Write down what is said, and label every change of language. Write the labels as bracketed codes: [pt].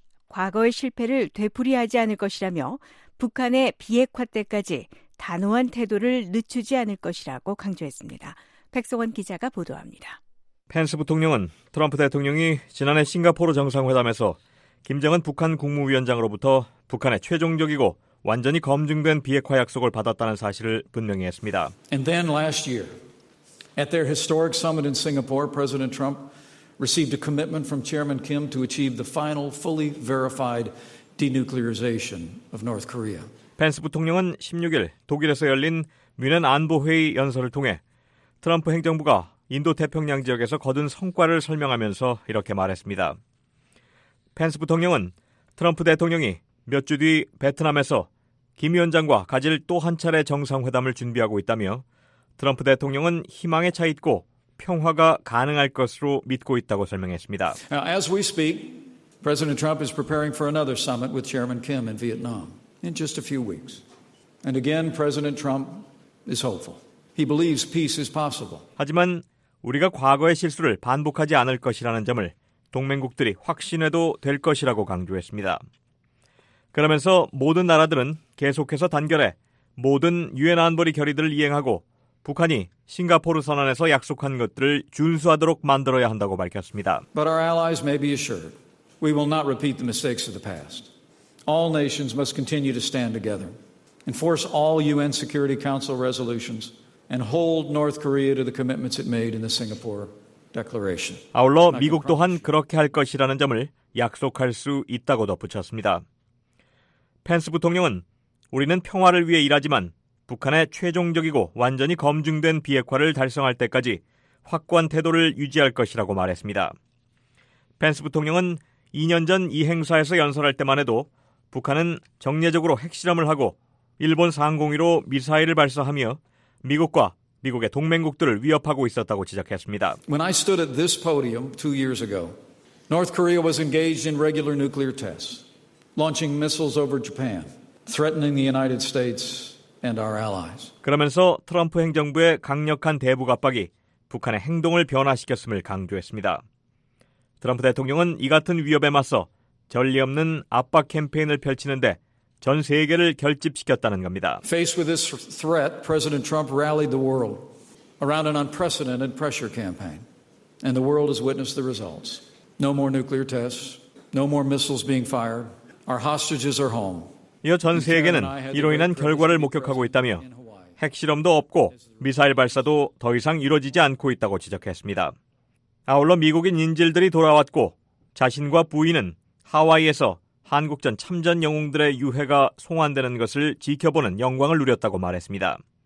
[ko] 과거의 실패를 되풀이하지 않을 것이라며 북한의 비핵화 때까지 단호한 태도를 늦추지 않을 것이라고 강조했습니다. 백성원 기자가 보도합니다. 펜스 부통령은 트럼프 대통령이 지난해 싱가포르 정상회담에서 김정은 북한 국무위원장으로부터 북한의 최종적이고 완전히 검증된 비핵화 약속을 받았다는 사실을 분명히 했습니다. [en] And then last year, at their historic summit in Singapore, President Trump received a commitment from Chairman Kim to achieve the final fully verified denuclearization of North Korea. [ko] 펜스 부통령은 16일 독일에서 열린 뮌헨 안보 회의 연설을 통해 트럼프 행정부가 인도 태평양 지역에서 거둔 성과를 설명하면서 이렇게 말했습니다. 펜스 부통령은 트럼프 대통령이 몇 주 뒤 베트남에서 김 위원장과 가질 또 한 차례 정상회담을 준비하고 있다며 트럼프 대통령은 희망에 차 있고 평화가 가능할 것으로 믿고 있다고 설명했습니다. [en] As we speak, President Trump is preparing for another summit with Chairman Kim in Vietnam in just a few weeks. And again, President Trump is hopeful. He believes peace is possible. [ko] 하지만 우리가 과거의 실수를 반복하지 않을 것이라는 점을 동맹국들이 확신해도 될 것이라고 강조했습니다. 그러면서 모든 나라들은 계속해서 단결해 모든 유엔 안보리 결의들을 이행하고 북한이 싱가포르 선언에서 약속한 것들을 준수하도록 만들어야 한다고 밝혔습니다. [en] But our allies may be assured we will not repeat the mistakes of the past. All nations must continue to stand together, enforce all UN Security Council resolutions, and hold North Korea to the commitments it made in the Singapore Declaration. [ko] 아울러 미국 또한 그렇게 할 것이라는 점을 약속할 수 있다고 덧붙였습니다. 펜스 부통령은 우리는 평화를 위해 일하지만 북한의 최종적이고 완전히 검증된 비핵화를 달성할 때까지 확고한 태도를 유지할 것이라고 말했습니다. 펜스 부통령은 2년 전 이 행사에서 연설할 때만 해도 북한은 정례적으로 핵실험을 하고 일본 상공위로 미사일을 발사하며 미국과 미국의 동맹국들을 위협하고 있었다고 지적했습니다. [en] When I stood at this podium 2 years ago, North Korea was engaged in regular nuclear tests. Launching missiles over Japan, threatening the United States and our allies. [ko] 그러면서 트럼프 행정부의 강력한 대북 압박이 북한의 행동을 변화시켰음을 강조했습니다. 트럼프 대통령은 이 같은 위협에 맞서 전례 없는 압박 캠페인을 펼치는데 전 세계를 결집시켰다는 겁니다. [en] Faced with this threat, President Trump rallied the world around an unprecedented pressure campaign, and the world has witnessed the results. No more nuclear tests. No more missiles being fired. Our hostages are home. [ko] 이어 전 세계는 이로 인한 결과를 목격하고 있다며 핵실험도 없고 미사일 발사도 더 이상 이루어지지 않고 있다고 지적했습니다. 아울러 미국인 인질들이 돌아왔고 자신과 부인은 하와이에서 한국전 참전 영웅들의 유해가 송환되는 것을 지켜보는 영광을 누렸다고 말했습니다.